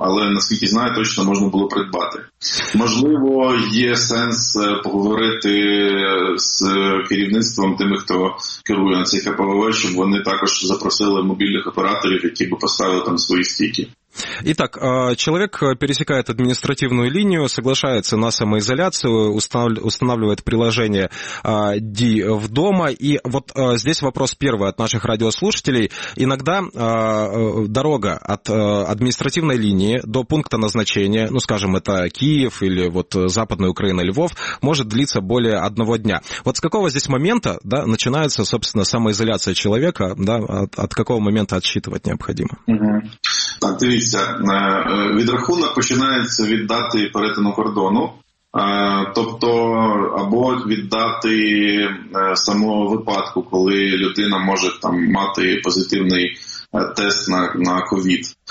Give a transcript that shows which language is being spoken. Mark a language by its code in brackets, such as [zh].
[uk] Але, наскільки знаю, точно можна було придбати. Можливо, є сенс поговорити з керівництвом тими, хто керує на цей КПВВ, щоб вони також запросили мобільних операторів, які б поставили там свої стійки. [ru] Итак, человек пересекает административную линию, соглашается на самоизоляцию, устанавливает приложение ДИ в дома. И вот здесь вопрос первый от наших радиослушателей. Иногда дорога от административной линии до пункта назначения, ну, скажем, это Киев или вот Западная Украина, Львов, может длиться более одного дня. Вот с какого здесь момента, да, начинается, собственно, самоизоляция человека, да, от какого момента отсчитывать необходимо? [uk] Так, дивіться, відрахунок починається від дати перетину кордону, тобто або від дати самого випадку, коли людина може там мати позитивний тест на ковід.